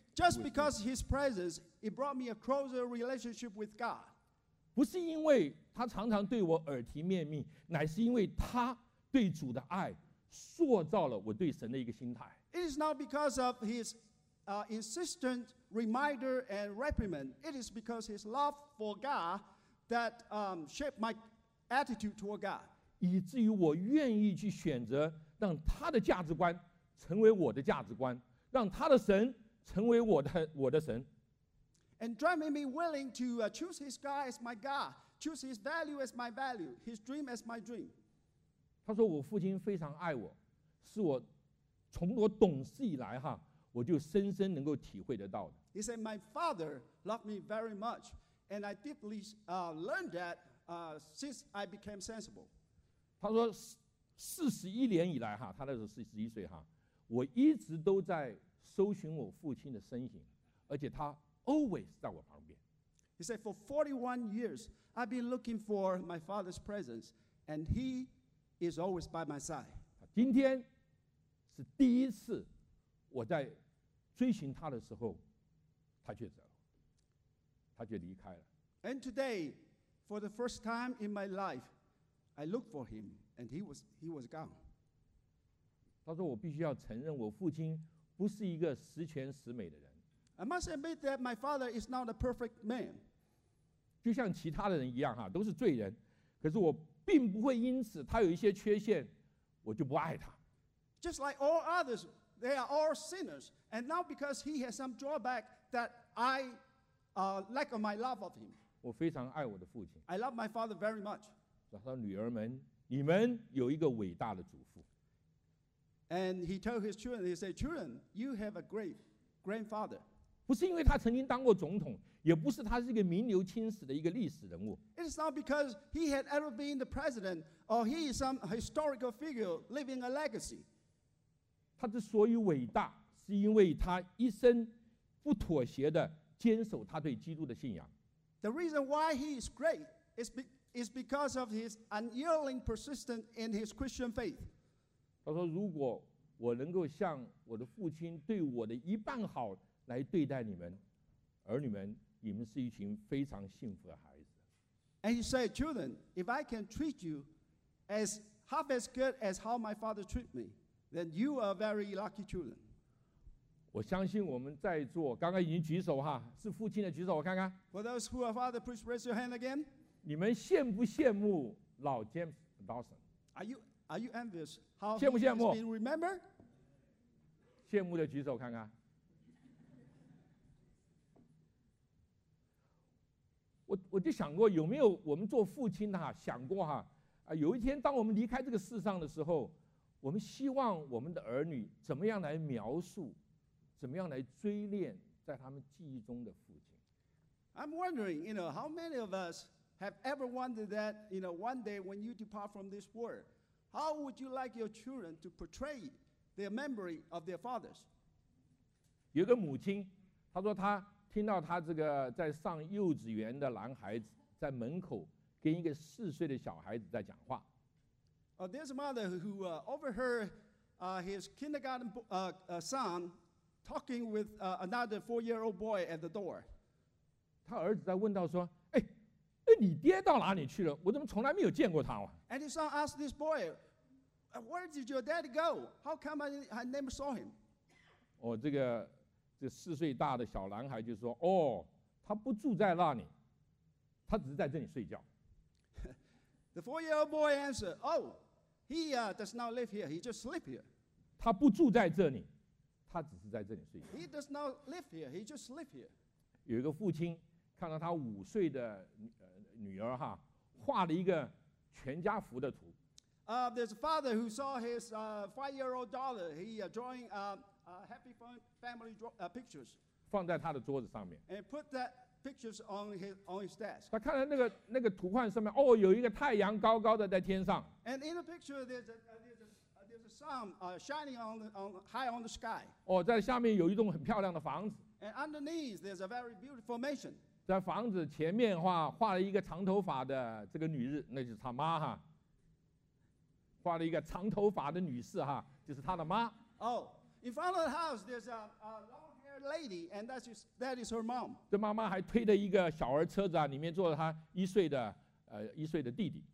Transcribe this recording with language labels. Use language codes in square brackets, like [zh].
[en] just because his presence, it brought me a closer relationship with God. [zh] 不是因为他常常对我耳提面命，乃是因为他对主的爱塑造了我对神的一个心态。 [en] It is not because of his insistent reminder and reprimand. It is because his love for God that shaped my attitude toward God. [zh] 以至于我愿意去选择让他的价值观成为我的价值观，让他的神成为我的神。 [en] And driving me willing to choose his God as my God, choose his value as my value, his dream as my dream. [zh] 他说我父亲非常爱我，是我从我懂事以来哈，我就深深能够体会得到的。 [en] He said my father loved me very much, and I deeply learned that since I became sensible. [zh] 他说41年以来哈，他那时候41岁哈，我一直都在搜寻我父亲的身影，而且他 always 在我旁边。 [en] He said for 41 years I've been looking for my father's presence and he is always by my side. [zh] 今天是第一次我在追寻他的时候，他却走，他却离开了。 [en] And today, for the first time in my life, I looked for him, and he was gone. [zh] 他说：“我必须要承认，我父亲不是一个十全十美的人。” [en] I must admit that my father is not a perfect man. [zh] 就像其他的人一样哈，都是罪人，可是我并不会因此他有一些缺陷，我就不爱他。 [en] Just like all others, they are all sinners, and not because he has some drawback that I lack of my love of him. [zh] 我非常爱我的父亲。 [en] I love my father very much. [zh] 他说：“女儿们，你们有一个伟大的祖父。” [en] And he told his children, he said, "Children, you have a great grandfather." [zh] 不是因为他曾经当过总统，也不是他是一个名留青史的一个历史人物。 [en] It is not because he had ever been the president, or he is some historical figure leaving a legacy. [zh] 他之所以伟大，是因为他一生不妥协的坚守他对基督的信仰。 [en] The reason why he is great is because of his unyielding persistence in his Christian faith. [zh] 他说：“如果我能够像我的父亲对我的一半好来对待你们，儿女们，你们是一群非常幸福的孩子。” [en] And he said, "Children, if I can treat you as half as good as how my father treated me, then you are very lucky children." [zh] 我相信我们在座刚刚已经举手哈，是父亲的举手，我看看。 [en] For those who are father, please raise your hand again. [zh] 你们羡不羡慕老 James Dawson? [en] Are you envious how he has been remembered? [zh] 羡慕的举手看看。我就想过有没有我们做父亲的哈想过哈啊，有一天当我们离开这个世上的时候，我们希望我们的儿女怎么样来描述？怎么样来追念在他们记忆中的父亲 [en] ？I'm wondering, you know, how many of us have ever wondered that, you know, one day when you depart from this world, how would you like your children to portray their memory of their fathers? [zh] 有个母亲，她说她听到她这个在上幼稚园的男孩子在门口跟一个四岁的小孩子在讲话。 [en] There's a mother who overheard his kindergarten son. Talking with another four-year-old boy at the door. [zh] 他儿子在问到说，哎，那你爹到哪里去了？我怎么从来没有见过他啊？ [en] And his son asked this boy, "Where did your dad go? How come I never saw him?" [zh] 这四岁大的小男孩就说，哦，他不住在那里，他只是在这里睡觉。 [en] The four-year-old boy answered, "Oh, he does not live here. He just sleep here." [zh] 他不住在这里。他只是在这里睡觉。 [en] He does not live here. He just sleep here. [zh] 有一个父亲看到他五岁的女儿哈，画了一个全家福的图。 [en] There's a father who saw his five-year-old daughter. He drawing happy family pictures. [zh] 放在他的桌子上面。 [en] And put that pictures on his desk. [zh] 他看到那个图画上面，哦，有一个太阳高高的在天上。 [en] And in the picture there's a sun shining high on the sky. [zh] 在下面有一栋很漂亮的房子。 [en] And underneath there's a very beautiful mansion. [zh] 在房子前面画画了一个长头发的这个女士，那就是她妈哈。画了一个长头发的女士哈，就是她的妈。 [en] Oh, in front of the house there's a long-haired lady, and that is her mom. [zh] 这妈妈还推着一个小儿车子啊，里面坐着她一岁的弟弟。